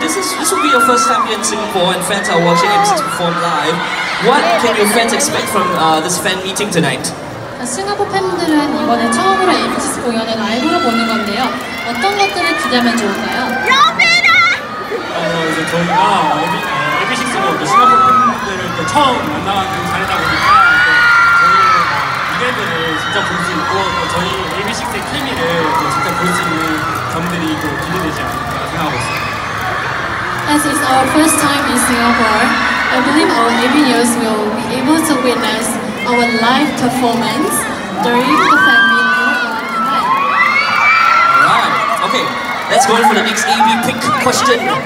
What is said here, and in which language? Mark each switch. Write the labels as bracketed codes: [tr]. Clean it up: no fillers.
[en] This will be your first time here in Singapore and fans are watching ABNEW perform live. What can your fans expect from this fan meeting tonight? [ko] 싱가포르 팬분들은 이번에 처음으로 ABNEW 공연을 라이브로 보는 건데요. 어떤 것들을 기대하면 좋을까요? 여배나! 저희가 싱가포르 팬분들을 처음 만나가지고 잘했다고 저희 무대들을 진짜 볼 수 있고 저희 ABNEW의 케미를 진짜 볼 수 있는 점들이 또 기대되지 않을까 생각하고 있어요. [en] As it's our first time in Singapore, I believe our ABNEWs will be able to witness our live performance during the fan meeting tonight. Alright, okay, let's go on for the next ABP question.